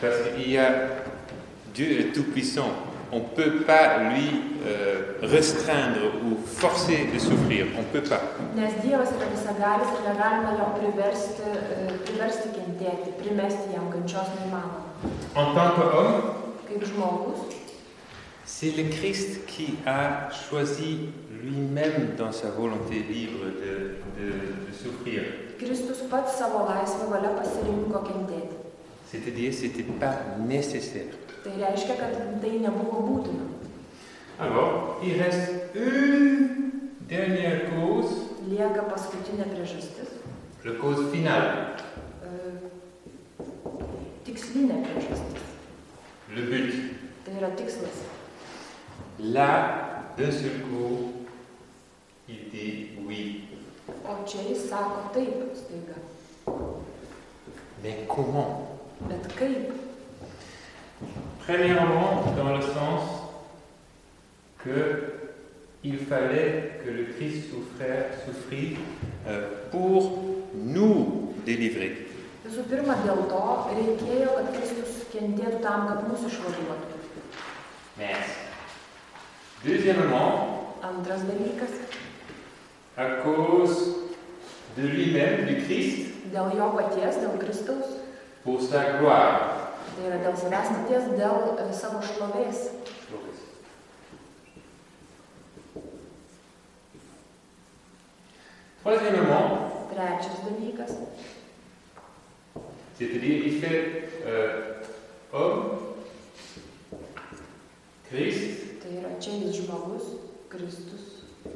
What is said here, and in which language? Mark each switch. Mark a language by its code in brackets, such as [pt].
[fr] Parce qu'il y a Dieu est tout puissant. On peut pas lui restreindre ou forcer de souffrir. On peut pas. [lt] Nes Dievas yra visagalis, negalima jo priversti kentėti, primesti jam kančios neįmanoma. [fr] En tant qu'homme, [lt] kaip žmogus, [fr] c'est le Christ qui a choisi lui-même dans sa volonté libre de souffrir. [lt] Kristus pats savo laisvą valią pasirinko kentėti. [fr] C'est-à-dire, c'était pas nécessaire. [lt] Tai reiškia, kad tai nebuvo būtina. [fr] Alors, il reste une dernière cause. [lt] Lieka paskutinė priežastis. [fr] La cause finale. [lt] Tikslinė priežastis. [fr] Le but. [lt] Tai yra tikslas. [fr] Là, d'un seul coup, il dit oui. [lt] O čia jis sako taip, staiga. [fr] Mais comment? [lt] Bet kaip? [fr] Premièrement, dans le sens que il fallait que le Christ souffrit pour nous délivrer. [lt] Visų pirma, dėl to reikėjo, kad Kristus kentėtų tam, kad mūsų išvaduotų. [fr] Merci. Deuxièmement, [lt] antras dalykas, [fr] à cause de lui-même, du Christ, [lt] dėl jo paties, dėl Kristaus, [fr] pour sa gloire. [lt] Tai yra dėl savęs nuties, dėl savo šlovės. [fr] Troisièmement. [lt] Trečias dalykas. [fr] C'est-à-dire, il fait homme, Christ. [lt] Tai yra čia jis žmogus, Kristus.